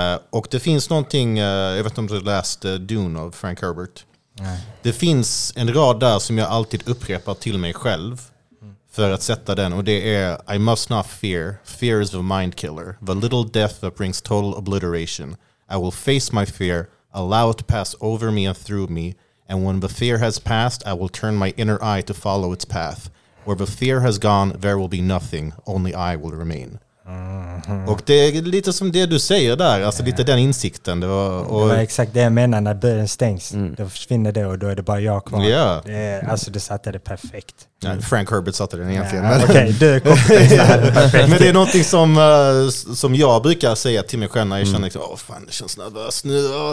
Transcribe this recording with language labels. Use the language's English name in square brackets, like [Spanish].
[Swedish] Och det finns någonting, jag vet inte om du läste Dune av Frank Herbert. Nej. Det finns en rad där som jag alltid upprepar till mig själv för att sätta den, och det är [English] I must not fear, fear is a mind killer, the little death that brings total obliteration. I will face my fear, allow it to pass over me and through me, and when the fear has passed, I will turn my inner eye to follow its path. Where the fear has gone, there will be nothing, only I will remain. [Swedish] Mm-hmm. Och det är lite som det du säger där, alltså lite den insikten. Det var exakt det jag menar, när dörren stängs, då försvinner det och då är det bara jag kvar. Alltså du satte det perfekt. Ja, Frank Herbert satte den egentligen. Ja, okej, du är kompetent. Men det är någonting som jag brukar säga till mig själv när jag känner, åh fan, det känns nervös nu.